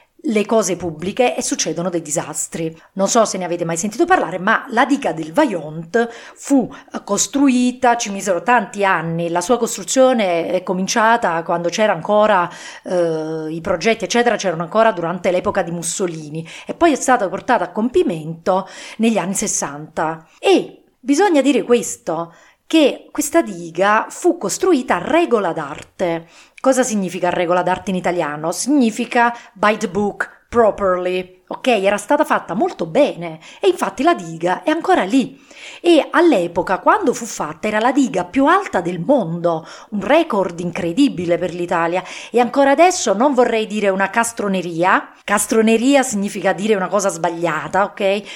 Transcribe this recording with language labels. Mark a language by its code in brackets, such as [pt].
[it] le cose pubbliche e succedono dei disastri. Non so se ne avete mai sentito parlare, ma la diga del Vajont fu costruita, ci misero tanti anni, la sua costruzione è cominciata quando c'era ancora i progetti, eccetera, c'erano ancora durante l'epoca di Mussolini e poi è stata portata a compimento negli anni 60. E bisogna dire questo, che questa diga fu costruita a regola d'arte. Cosa significa regola d'arte in italiano? Significa [en] by the book, properly. [it] Ok, era stata fatta molto bene e infatti la diga è ancora lì. E all'epoca, quando fu fatta, era la diga più alta del mondo, un record incredibile per l'Italia. E ancora adesso non vorrei dire una castroneria. Castroneria significa dire una cosa sbagliata, ok?